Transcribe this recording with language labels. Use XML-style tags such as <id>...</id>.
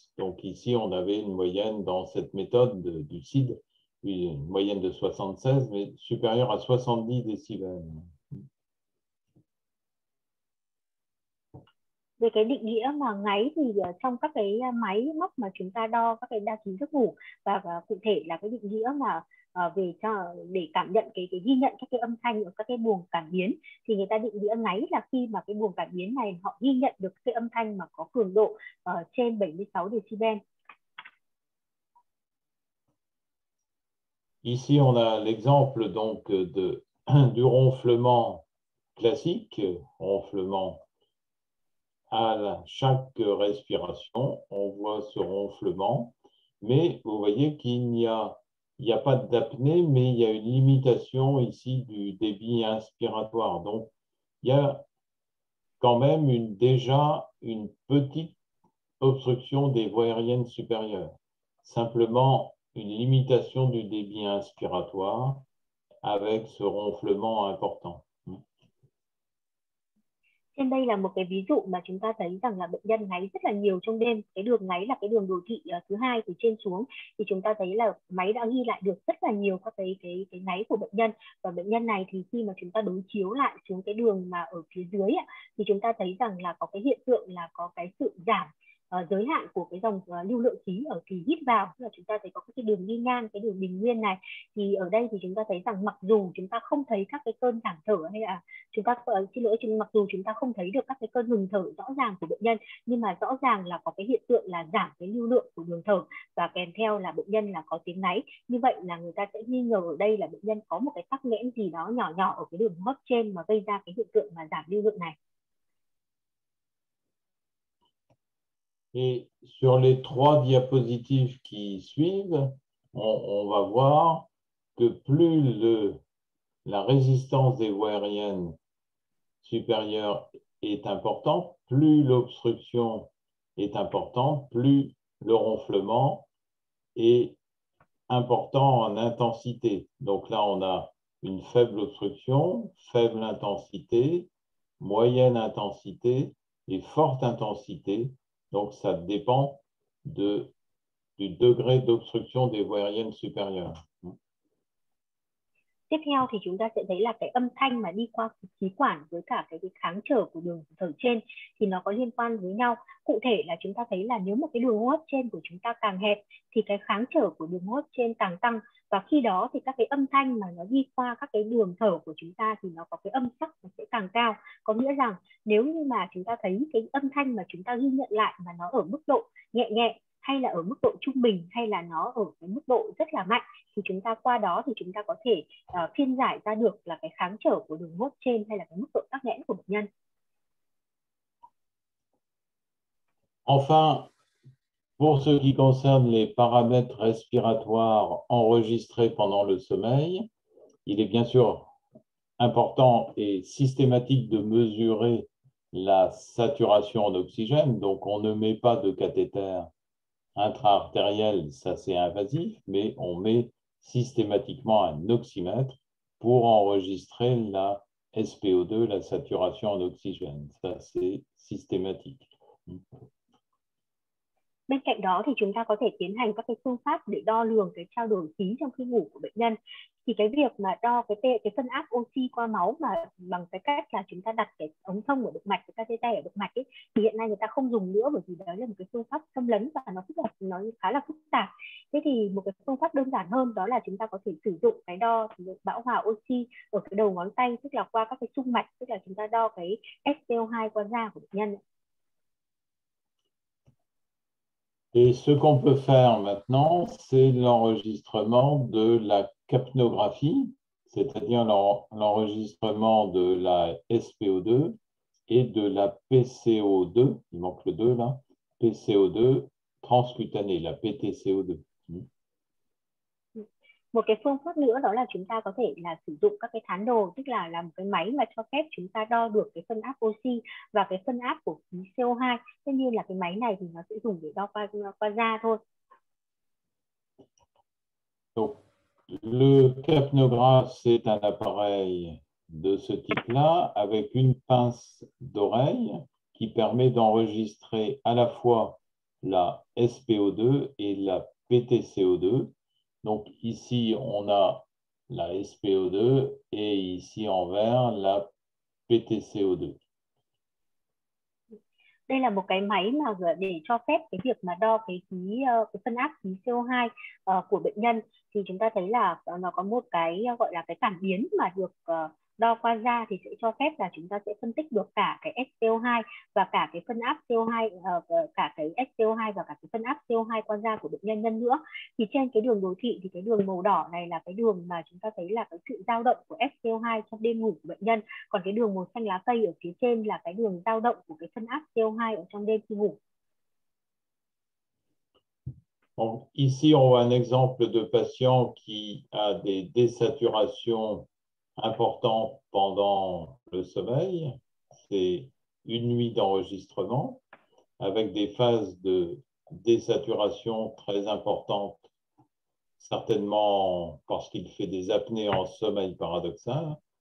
<fr>Donc ici, on avait une moyenne dans cette méthode du CID, une moyenne de 76, mais supérieure à 70 décibels.</fr> <vi>Về cái định nghĩa mà ngáy thì trong các cái máy móc mà chúng ta đo các cái đa chỉ giấc ngủ, và cụ thể là cái định nghĩa mà về cho để cảm nhận cái ghi nhận các cái âm thanh ở các cái buồng cảm biến, thì người ta định nghĩa ngáy là khi mà cái buồng cảm biến này họ ghi nhận được cái âm thanh mà có cường độ trên 76 decibel.</vi> <fr>Ici on a l'exemple donc du ronflement classique, ronflement à chaque respiration, on voit ce ronflement, mais vous voyez qu'il n'y a, pas d'apnée, mais il y a une limitation ici du débit inspiratoire. Donc, il y a quand même une petite obstruction des voies aériennes supérieures. Simplement, une limitation du débit inspiratoire avec ce ronflement important.</fr> <vi>Trên đây là một cái ví dụ mà chúng ta thấy rằng là bệnh nhân ngáy rất là nhiều trong đêm. Cái đường ngáy là cái đường đồ thị thứ hai từ trên xuống, thì chúng ta thấy là máy đã ghi lại được rất là nhiều các cái ngáy của bệnh nhân. Và bệnh nhân này thì khi mà chúng ta đối chiếu lại xuống cái đường mà ở phía dưới thì chúng ta thấy rằng là có cái hiện tượng là có cái sự giảm giới hạn của cái dòng lưu lượng khí ở kỳ hít vào, tức là chúng ta thấy có cái đường đi ngang, cái đường bình nguyên này. Thì ở đây thì chúng ta thấy rằng mặc dù chúng ta không thấy các cái cơn giảm thở hay là chúng ta xin lỗi, mặc dù chúng ta không thấy được các cái cơn ngừng thở rõ ràng của bệnh nhân, nhưng mà rõ ràng là có cái hiện tượng là giảm cái lưu lượng của đường thở và kèm theo là bệnh nhân là có tiếng ngáy. Như vậy là người ta sẽ nghi ngờ ở đây là bệnh nhân có một cái tắc nghẽn gì đó nhỏ nhỏ ở cái đường hô hấp trên mà gây ra cái hiện tượng mà giảm lưu lượng này.</vi> <fr>Et sur les trois diapositives qui suivent, on va voir que plus la résistance des voies aériennes supérieures est importante, plus l'obstruction est importante, plus le ronflement est important en intensité. Donc là, on a une faible obstruction, faible intensité, moyenne intensité et forte intensité. Donc, ça dépend du degré d'obstruction des voies aériennes supérieures.</fr> <vi>Tiếp theo thì chúng ta sẽ thấy là cái âm thanh mà đi qua khí quản với cả cái kháng trở của đường thở trên thì nó có liên quan với nhau. Cụ thể là chúng ta thấy là nếu một cái đường hô hấp trên của chúng ta càng hẹp thì cái kháng trở của đường hô hấp trên càng tăng, và khi đó thì các cái âm thanh mà nó đi qua các cái đường thở của chúng ta thì nó có cái âm sắc nó sẽ càng cao. Có nghĩa rằng nếu như mà chúng ta thấy cái âm thanh mà chúng ta ghi nhận lại mà nó ở mức độ nhẹ nhẹ hay là ở mức độ trung bình hay là nó ở cái mức độ rất là mạnh thì chúng ta qua đó thì chúng ta có thể phiên giải ra được là cái kháng trở của đường hô hấp trên hay là cái mức độ tắc nghẽn của bệnh nhân.</vi> <fr>Enfin, pour ce qui concerne les paramètres respiratoires enregistrés pendant le sommeil, il est bien sûr important et systématique de mesurer la saturation en oxygène, donc on ne met pas de cathéter intra-artériel, ça c'est invasif, mais on met systématiquement un oxymètre pour enregistrer la SpO2, la saturation en oxygène. Ça c'est systématique.</fr> <vi>Bên cạnh đó thì chúng ta có thể tiến hành các cái phương pháp để đo lường cái trao đổi khí trong khi ngủ của bệnh nhân. Thì cái việc mà đo cái phân áp oxy qua máu mà bằng cái cách là chúng ta đặt cái ống thông ở động mạch, cái catheter ở động mạch ấy, thì hiện nay người ta không dùng nữa bởi vì đó là một cái phương pháp xâm lấn và nó khá là phức tạp. Thế thì một cái phương pháp đơn giản hơn đó là chúng ta có thể sử dụng cái đo bão hòa oxy ở cái đầu ngón tay, tức là qua các cái trung mạch, tức là chúng ta đo cái SpO2 qua da của bệnh nhân.</vi> <fr>Et ce qu'on peut faire maintenant, c'est l'enregistrement de la capnographie, c'est-à-dire l'enregistrement de la SpO2 et de la PCO2, il manque le 2 là, PCO2 transcutanée, la PTCO2.</fr> <vi>Một cái phương pháp nữa đó là chúng ta có thể là sử dụng các cái thán đồ, tức là làm cái máy mà cho phép chúng ta đo được cái phân áp oxy và cái phân áp của khí CO2. Tất nhiên là cái máy này thì nó sẽ dùng để đo qua da thôi.</vi> <fr>Donc, le capnographe, c'est un appareil de ce type-là avec une pince d'oreille qui permet d'enregistrer à la fois la SpO2 et la PTCO2. Donc ici, on a la SpO2 et ici en vert, la PTCO2.</fr> <vi>Đây là một cái máy mà để cho phép cái việc mà đo cái phân áp khí CO2 của bệnh nhân. Thì chúng ta thấy là nó có một cái gọi là cái cảm biến mà được đo qua da thì sẽ cho phép là chúng ta sẽ phân tích được cả cái SpO2 và cả cái phân áp CO2, cả cái SpO2 và cả cái phân áp CO2 qua da của bệnh nhân nhân nữa. Thì trên cái đường đồ thị thì cái đường màu đỏ này là cái đường mà chúng ta thấy là cái sự dao động của SpO2 trong đêm ngủ của bệnh nhân. Còn cái đường màu xanh lá cây ở phía trên là cái đường dao động của cái phân áp CO2 ở trong đêm khi ngủ.</vi> <fr>Bon, ici on a un exemple de patient qui a des désaturations important pendant le sommeil, c'est une nuit d'enregistrement avec des phases de désaturation très importantes, certainement parce qu'il fait des apnées en sommeil paradoxal.</fr>